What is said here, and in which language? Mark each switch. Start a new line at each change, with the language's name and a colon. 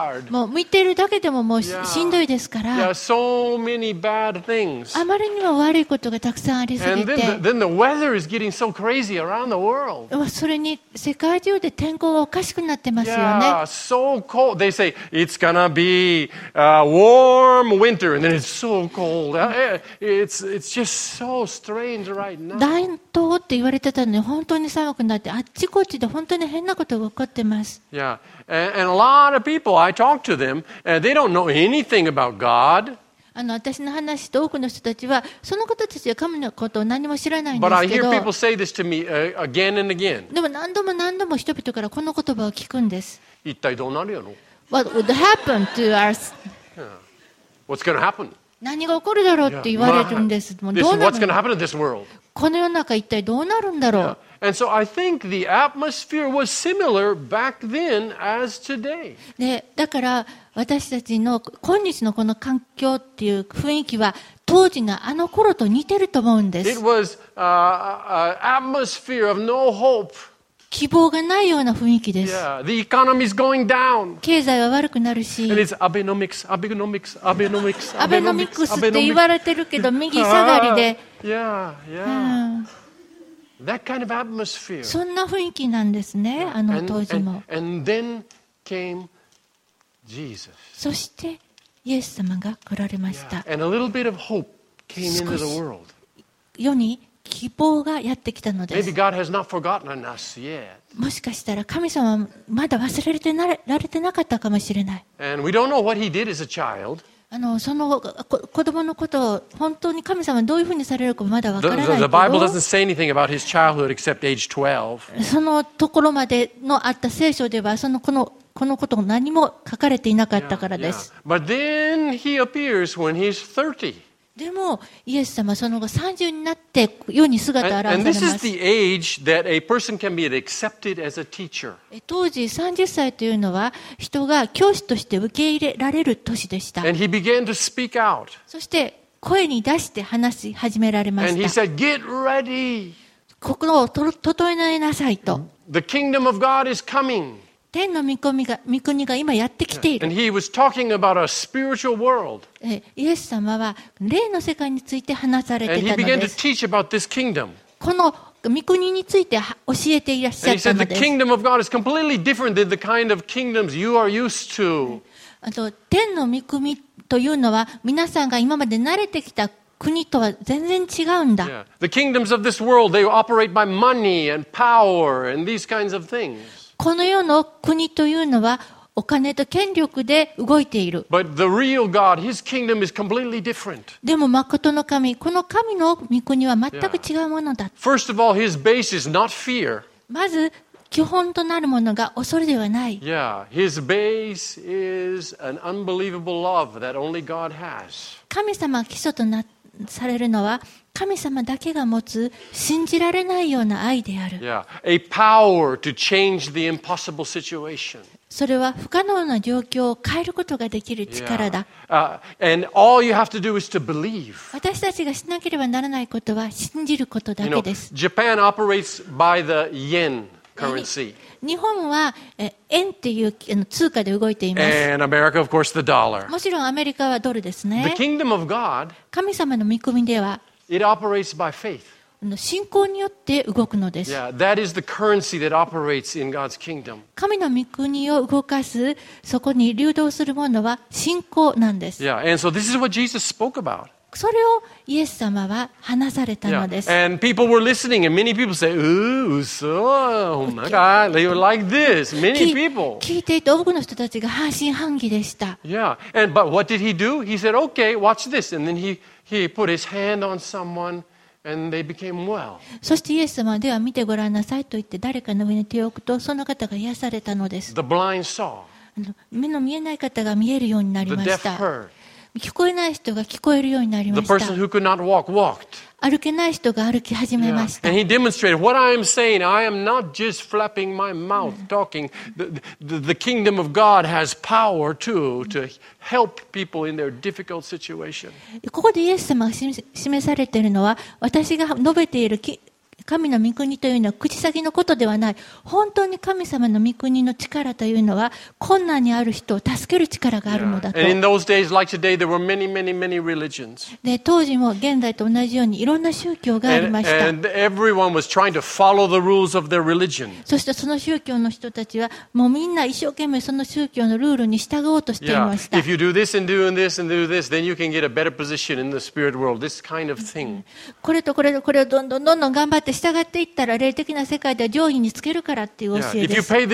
Japanese: もう見てるだけでももうしんどいですから。あまりにも悪いことがたくさんありすぎて。それに世界中で天候がおかしくなってますよね。
English: So cold. They say it's gonna be a warm winter, and then it's so cold. It's just so strange right now.
Japanese: 大冬って言われてたのに本当に寒くなってあっちこっち本当に変なことが起こってます。
English: Yeah. And a lot of people, I talk to them, and they don't know anything about God.
Japanese: 私の話と多くの人たちは、その方たちは神のことを何も知らないんですけど。
English: But I hear people say this to me again and again.
Japanese: でも何度も何度も人々からこの言葉を聞くんです。一体どうなるやろ?
English: What would happen to us? What's going to happen?
Japanese: 何が起こるだろうって言われるんです。もうどうなるの?
English: What's going to happen to this world?
Japanese: この世の中一体どうなるんだろう?
English: Yeah. And so I think the atmosphere was similar back then as today.
Japanese: で、だから私たちの今日のこの環境っていう雰囲気は当時のあの頃と似てると思うんです。
English: It was atmosphere of no hope.
Japanese: 希望がないような雰囲気です。
English: Yeah, the economy is going down.
Japanese: 経済は悪くなるし。
English: And it's Abenomics, Abenomics, Abenomics,
Japanese: Abenomics って言われてるけど右下がりで。
English: Yeah, yeah. That kind of atmosphere.
Japanese: そんな雰囲気なんですね、あの当時も。
English: And then came Jesus.
Japanese: そして、イエス様が来られました。
English: Yeah. And a little bit of hope came into the world.
Japanese: 世に希望がやってきたのです。
English: Maybe God has not forgotten us yet.
Japanese: もしかしたら神様はまだ忘れてられてなかったかもしれない。
English: And we don't know what he did as a child.
Japanese: その子供のことを本当に神様はどういうふうにされるかまだ分からないけど
English: the Bible doesn't say anything about his childhood except age 12.
Japanese: そのところまでのあった聖書ではこのことを何も書かれていなかったからです。
English: Yeah, yeah. But then he appears when he's 30.
Japanese: でもイエス様はその後30になって世に姿を現されます。
English: And this is the age that a person can be accepted as a teacher.
Japanese: 当時30歳というのは人が教師として受け入れられる年でした。
English: And he began to speak out.
Japanese: そして声に出して話し始められました。
English: And he said, "Get ready."
Japanese: 心を整えなさいと。
English: The kingdom of God is coming.
Japanese: 天の御国が今やってきている。
English: And he was talking about a spiritual world.
Japanese: イエス様は霊の世界について話されていたのです。この御国について教えていらっしゃったのです。
English: And he said the kingdom of God is completely different than the kind of kingdoms you are used to.
Japanese: 天の御国というのは皆さんが今まで慣れてきた国とは全然違うんだ。
English: The kingdoms of this world, they operate by money and power and these kinds of things.
Japanese: この世の国というのはお金と権力で動いている。
English: But the real God, His kingdom is completely different.
Japanese: でも真の神、この神の御国は全く違うものだ。
English: Yeah. First of all, His base is not fear.
Japanese: まず基本となるものが恐れではない。
English: Yeah, His base is an unbelievable love that only God has.
Japanese: 神様が基礎とされるのは神様だけが持つ信じられないような愛である。
English: Yeah, a power to change the impossible situation.
Japanese: それは不可能な状況を変えることができる力だ。私たちがしなければならないことは信じることだけです。
English: Japan operates by the yen currency.
Japanese: 日本は円っていう通貨で動いています。
English: And America, of course, the dollar.
Japanese: もちろんアメリカはドルですね。
English: The kingdom of God,
Japanese: 神様の御国では、
English: it operates by faith.
Japanese: 信仰によって動くのです。
English: Yeah, that is the currency that operates in God's kingdom.
Japanese: 神の御国を動かす、そこに流動するものは信仰なんです。
English: Yeah, and so this is what Jesus spoke about.
Japanese: それをイエス様は話されたのです。
English: Yeah, and people were listening, and many people say, "Ooh, so, oh my God, they were like this." Many people.
Japanese: 聞いていて多くの人たちが半信半疑でした。
English: Yeah, and but what did he do? He said, "Okay, watch this," and then he put his hand on someone. And they became well.
Japanese: そしてイエス様では見てごらんなさいと言って誰かの上に手を置くとその方が癒されたのです。
English: The blind saw.
Japanese: 目の見えない方が見えるようになりました。
English: The deaf heard.
Japanese: 聞こえない人が聞こえるようになりました。
English: The person who could not walk walked.
Japanese: 歩けない人が歩き始めました。
English: Yeah. And he demonstrated what I am saying. I am not just flapping my mouth talking. The kingdom of God has power too to help people in their difficult situation.
Japanese: ここでイエス様が示されているのは私が述べている神の御国というのは口先のことではない。本当に神様の御国の力というのは困難にある人を助ける力があるのだと。
English: And in those days, like today, there were many, many, many religions.
Japanese: で、当時も現在と同じようにいろんな宗教がありました。
English: And everyone was trying to follow the rules of their religion.
Japanese: そしてその宗教の人たちはもうみんな一生懸命その宗教のルールに従おうとしていました。
English: If you do this and do this and do this, then you can get a better position in the spirit world. This kind of thing.
Japanese: これとこれとこれをどんどんどんどん頑張って従っていったら霊的な世界では上位につけるからっていう教えです。